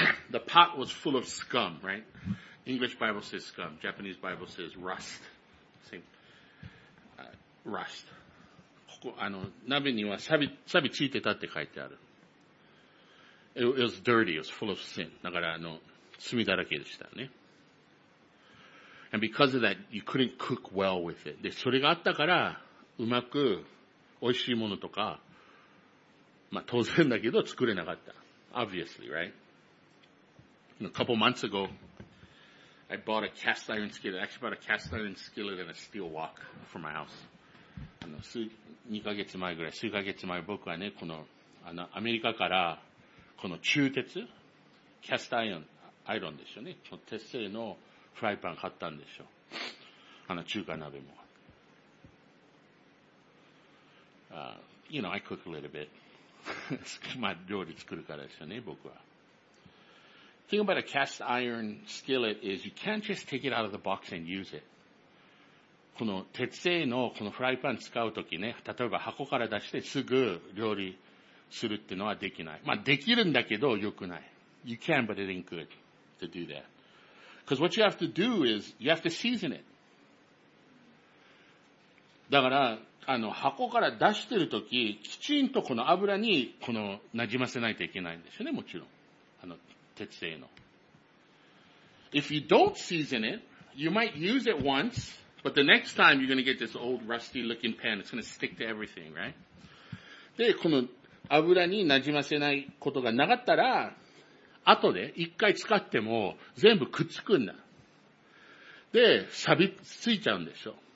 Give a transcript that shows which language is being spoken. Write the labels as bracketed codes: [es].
[en] The pot was full of scum, right? English Bible says scum. Japanese Bible says rust. Rust. [ja] ここ、あの、鍋には錆ついてたって書いてある。 [en] It was dirty, it was full of sin. [ja] だから、あの、炭だらけでしたね。 [en] And because of that, you couldn't cook well with it. [ja] で、それがあったから、うまく、美味しいものとか、まあ、当然だけど、作れなかった。 [en] Obviously, right? A couple months ago, I bought a cast iron skillet. I actually bought a cast iron skillet and a steel wok for my house. [ja] あの、2ヶ月前ぐらい、数ヶ月前、僕はね、この、あの、アメリカから、この鋳鉄、キャストアイロン、アイロンでしょうね。この鉄製のフライパン買ったんでしょう。あの中華鍋も。 [en] You know, I cook a little bit. [ja] まあ料理作るからですよね、僕は。 [en] Thing about a cast iron skillet is you can't just take it out of the box and use it. [ja] この鉄製のこのフライパン使うときね、例えば箱から出してすぐ料理、するってのはできない。まあ、できるんだけど、良くない。 [en] You can, but it ain't good to do that. Because what you have to do is, you have to season it. [ja] だから、あの、箱から出してるとき、きちんとこの油に、この、馴染ませないといけないんですよね、もちろん。あの、鉄製の。 [en] If you don't season it, you might use it once, but the next time you're gonna get this old rusty looking pan, it's gonna stick to everything, right? [ja] で、この、油に馴染ませないことがなかったら、後で一回使っても全部くっつくんだ。で、錆びついちゃうんでしょ。